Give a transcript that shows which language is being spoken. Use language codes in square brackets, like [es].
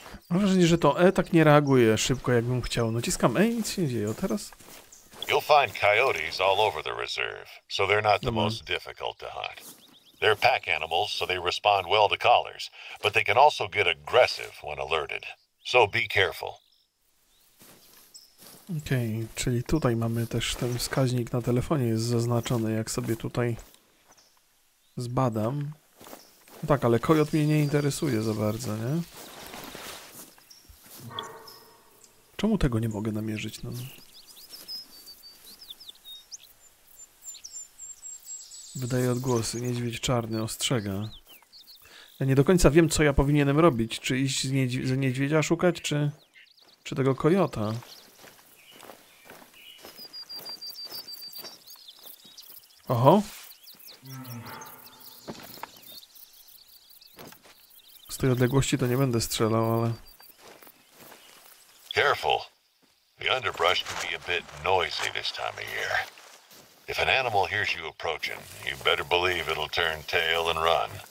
[pl] Mam wrażenie, że to E tak nie reaguje szybko, jakbym chciał. Naciskam E i nic się nie dzieje. O teraz? [en] You'll find coyotes all over the reserve, so they're not the most difficult to hunt. They're pack animals, so they respond well to callers, but they can also get aggressive when alerted. So be careful. [pl] Okej, okay, czyli tutaj mamy też ten wskaźnik na telefonie jest zaznaczony, jak sobie tutaj zbadam. No tak, ale kojot mnie nie interesuje za bardzo, nie? Czemu tego nie mogę namierzyć? No. Wydaje odgłosy. Niedźwiedź czarny ostrzega. Ja nie do końca wiem, co ja powinienem robić. Czy iść z niedźwiedzia szukać, czy tego kojota? Oho! Z tej odległości to nie będę strzelał, ale... [en] Careful. The underbrush can be a bit noisy this time of year. If an animal hears you approaching, you better believe it'll turn tail and run.